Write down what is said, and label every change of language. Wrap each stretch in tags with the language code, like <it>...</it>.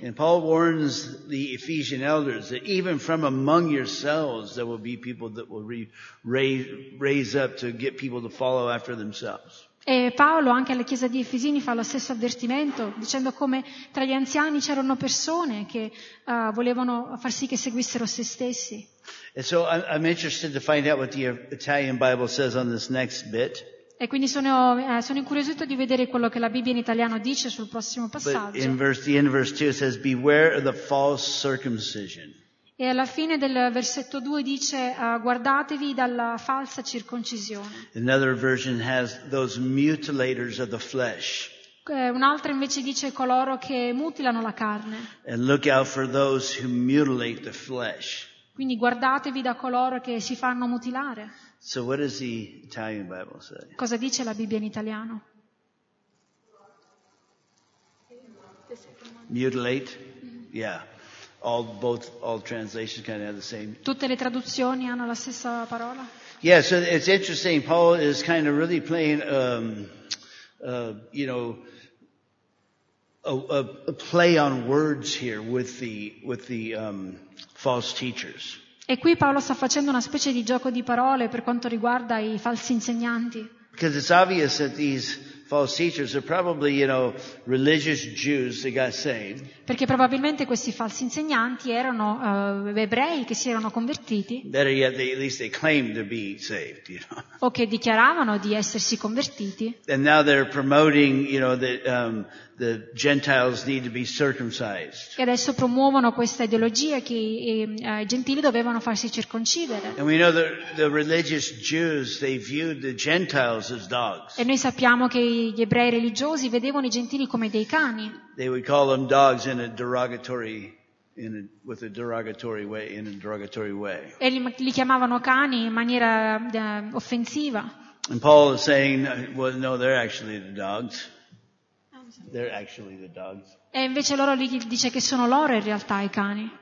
<en>And Paul warns the Ephesian elders that even from among yourselves there will be people that will raise up to get people to follow after themselves.</en> <it>E Paolo anche alla chiesa di Efesini fa lo stesso avvertimento dicendo come tra gli anziani c'erano persone che volevano far sì che seguissero se stessi.</it> <en>And so I'm interested to find out what the Italian Bible says on this next bit.</en> <it>E quindi sono incuriosito di vedere quello che la Bibbia in italiano dice sul prossimo passaggio.</it> <en>But in verse 2 says beware of the false circumcision.</en> <it>E alla fine del versetto 2 dice guardatevi dalla falsa circoncisione.</it> <en>Another version has those mutilators of the flesh.</en> <it>Un'altra invece dice coloro che mutilano la carne.</it> <en>And look out for those who mutilate the flesh.</en> <it>Quindi guardatevi da coloro che si fanno mutilare.</it> <en>So what does the Italian Bible say?</en> <it>Cosa dice la Bibbia in italiano?</it> <en>Mutilate? Yeah. All translations kind of have the same.</en> <it>Tutte le traduzioni hanno la stessa parola?</it> <en>Yeah, so it's interesting. Paul is kind of really playing, a play on words here with the false teachers.</en> <it>E qui Paolo sta facendo una specie di gioco di parole per quanto riguarda i falsi insegnanti.</it> <en>Because it's obvious that these false teachers are probably, you know, religious Jews that got saved.</en> <it>Perché probabilmente questi falsi insegnanti erano ebrei che si erano convertiti.</it> <en>Better yet, at least they claimed to be saved, you know.</en> <it>O che dichiaravano di essersi convertiti.</it> <en>And now they're promoting, you know, that the Gentiles need to be circumcised.</en> <it>E adesso promuovono questa ideologia che i gentili dovevano farsi circoncidere.</it> <en>And we know that the religious Jews, they viewed the Gentiles as dogs.</en> <it>E noi sappiamo che gli ebrei religiosi vedevano i gentili come dei cani.</it> <en>They would call them dogs in a derogatory, with a derogatory way, in a derogatory way.</en> <it>E li chiamavano cani in maniera offensiva.</it> <en>And Paul is saying, well, no, they're actually the dogs. They're actually the dogs.</en> <it>E invece loro gli dice che sono loro in realtà i cani.</it>